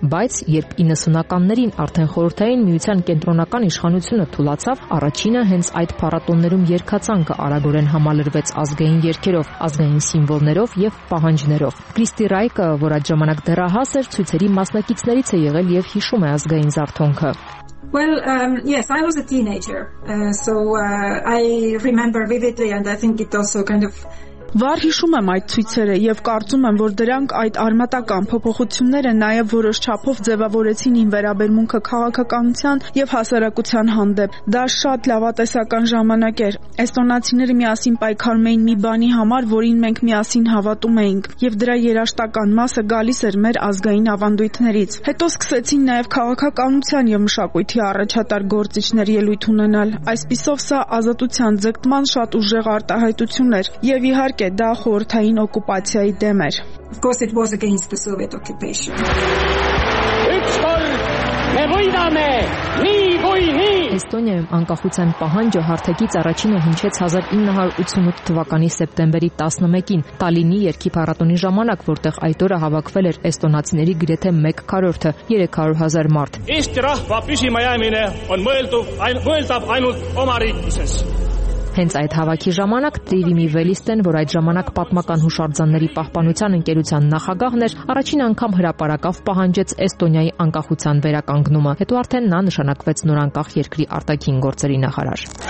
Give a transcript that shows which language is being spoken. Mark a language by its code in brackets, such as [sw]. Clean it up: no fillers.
[hy] բայց երբ 90-ականներին արդեն խորհրդային միության կենտրոնական իշխանությունը թուլացավ, առաջինը հենց այդ փառատոններում երկացանկը արագորեն համալրվեց ազգային երգերով, ազգային սիմվոլներով եւ պահանջներով։ Քրիստի Ռայկը, որ այդ ժամանակ դեռ ահաս էր, ցույցերի մասնակիցներից է եղել եւ հիշում է ազգային զարթոնքը։ [en] Well, yes, I was a teenager, I remember vividly, and I think it also kind of [hy] Վար հիշում եմ այդ ցույցերը եւ կարծում եմ, որ դրանք այդ արմատական փոփոխությունները նաեւ որոշչապով ձևավորեցին իմ վերաբերմունքը քաղաքականության եւ հասարակության հանդեպ։ Դա շատ լավատեսական ժամանակ էր։ Էստոնացիները միասին պայքարում էին մի բանի համար, որին մենք միասին հավատում էինք, եւ դրա երաշտական մասը գալիս էր մեր ազգային ավանդույթներից։ Հետո սկսեցին նաեւ քաղաքականության եւ մշակույթի առաջատար գործիչներ ելույթ ունենալ։ Այսպիսով սա ազատության ձգտման շատ ուժեղ արտահայտություն էր եւ Իհարկե, դա խորհրդային օկուպացիայի դեմ էր. [en] Of course it was against the Soviet occupation. [hy] Էստոնիայում անկախության պահանջը հարթակից առաջինը հնչեց 1988 թվականի սեպտեմբերի 11-ին Տալինի երկի փառատոնի ժամանակ, որտեղ այդ օրը հավաքվել էր էստոնացիների գրեթե 1/4-ը, 300 000 մարդ։ Հենց այդ հավաքի ժամանակ Տրիվիմի Վելիստեն, որ այդ ժամանակ պատմական հուշարձանների պահպանության ընկերության նախագահն էր, առաջին անգամ հրապարակավ պահանջեց Էստոնիայի անկախության վերականգնումը, հետո արդեն նա նշանակվեց նորանկախ երկրի արտաքին գործերի նախարար։